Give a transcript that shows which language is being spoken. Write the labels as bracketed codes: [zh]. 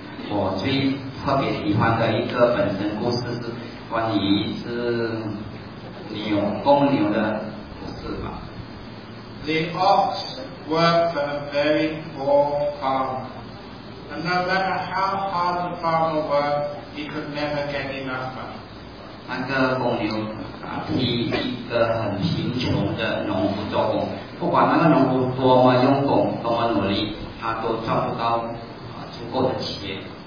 [zh] 我最特别喜欢的一个本身故事是关于一只牛，公牛的故事吧。 [en] The ox worked for a very poor farmer, and no matter how hard the farmer worked, he could never get enough money. [zh] 那个公牛啊，替一个很贫穷的农夫做工，不管那个农夫多么用功、多么努力，他都赚不到啊足够的钱。